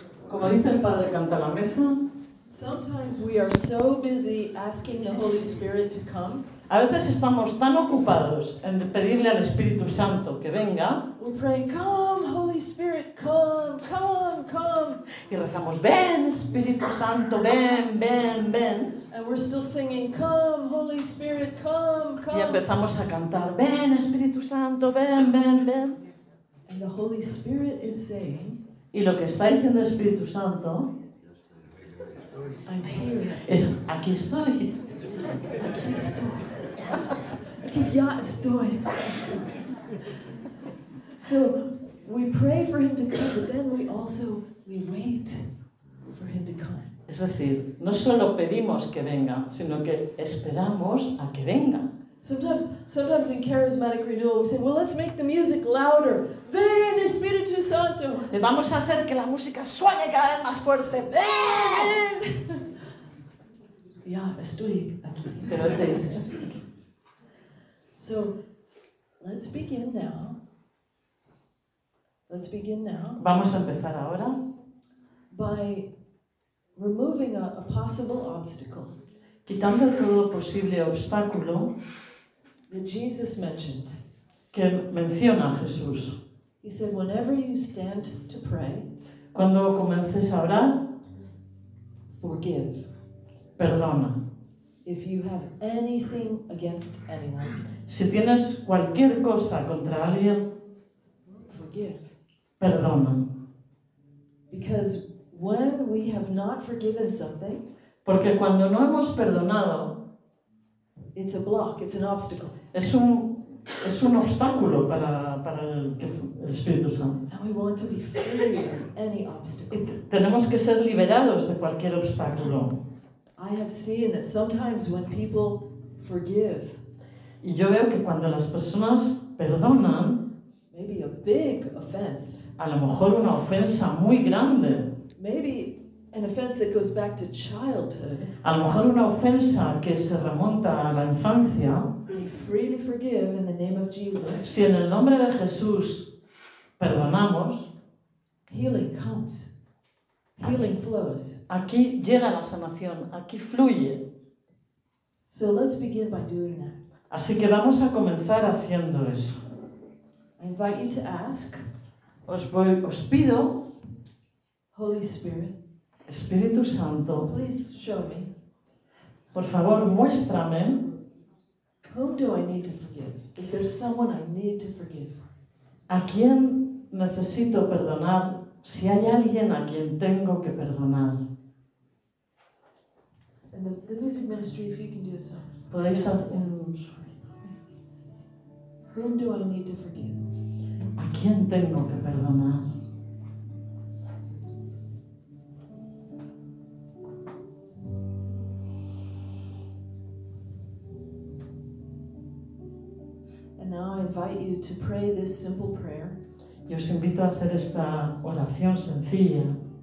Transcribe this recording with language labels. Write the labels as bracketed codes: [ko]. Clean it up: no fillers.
[es] Como dice el padre canta la mesa. [en] Sometimes we are so busy asking the Holy Spirit to come. [es] A veces estamos tan ocupados en pedirle al Espíritu Santo que venga. [en] We pray, come, Holy Spirit, come, come, come. [es] Y rezamos, ven, Espíritu Santo, ven, ven, ven. [en] And we're still singing, come, Holy Spirit, come, come. [es] Y empezamos a cantar, ven, Espíritu Santo, ven, ven, ven. [en] And the Holy Spirit is saying. [es] Y lo que está diciendo el Espíritu Santo. [en] I'm here. [es] Es, aquí estoy. Aquí estoy. Aquí ya estoy. [en] So we pray for him to come, but then we wait for him to come. [es] Es decir, no solo pedimos que venga, sino que esperamos a que venga. [en] Sometimes in charismatic renewal we say, well, let's make the music louder. [es] Ven, Espíritu Santo. Le vamos a hacer que la música suene cada vez más fuerte. Ven. Ya estoy aquí. Pero te dices. [en] So, let's begin now. Let's begin now. [es] Vamos a empezar ahora. [en] By removing a possible obstacle. [es] Quitando todo posible obstáculo. [en] That Jesus mentioned. [es] Que menciona Jesús. [en] He said, whenever you stand to pray, [es] cuando comences a orar, [en] forgive. [es] Perdona. [en] If you have anything against anyone, [es] si tienes cualquier cosa contra alguien, [en] forgive. [es] Perdona. [en] Because when we have not forgiven something, [es] porque cuando no hemos perdonado, [en] it's a block, it's an obstacle. [es] Es un obstáculo para el Espíritu Santo. [en] And we want to be free of any obstacle. [es] Tenemos que ser liberados de cualquier obstáculo. [en] I have seen that sometimes when people forgive, [es] y yo veo que cuando las personas perdonan, [en] maybe a big offense, [es] a lo mejor una ofensa muy grande, [en] maybe an offense that goes back to childhood, [es] a lo mejor una ofensa que se remonta a la infancia, [en] we freely forgive in the name of Jesus. [es] Si en el nombre de Jesús perdonamos, [en] healing comes. Healing flows. [es] Aquí llega la sanación, aquí fluye. [en] So let's begin by doing that. [es] Así que vamos a comenzar haciendo eso. [en] I invite you to ask. [es] Os pido. [en] Holy Spirit. [es] Espíritu Santo. [en] Please show me. [es] Por favor, muéstrame. [en] Whom do I need to forgive? Is there someone I need to forgive? [es] ¿A quién necesito perdonar? Si hay alguien a quien tengo que perdonar. [en] And the music ministry, if you can do a song. [es] Podéis hacer un sonido. [en] Whom do I need to forgive? [es] ¿A quién tengo que perdonar? [en] And now I invite you to pray this simple prayer. [es] Y os invito a hacer esta oración sencilla.